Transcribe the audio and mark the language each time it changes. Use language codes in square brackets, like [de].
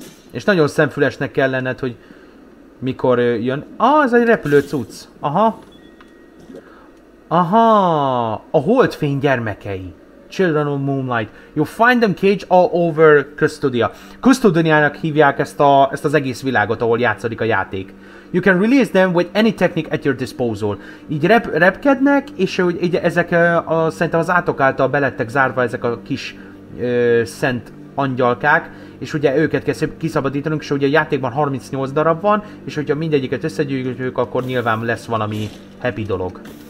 [hu] És nagyon szemfülesnek kell lenned, hogy mikor jön... Ah, ez egy repülő cucc. Aha. Aha. A holdfény gyermekei. [en] Children of Moonlight. You find them cage all over Custodia. [hu] Custodiának hívják ezt az egész világot, ahol játszódik a játék. [en] You can release them with any technique at your disposal. [hu] Így repkednek, és így ezek szerintem az átok által belettek zárva ezek a kis szent angyalkák, és ugye őket kell kiszabadítanunk, és ugye a játékban 38 darab van, és hogyha mindegyiket összegyűjtjük, akkor nyilván lesz valami happy dolog.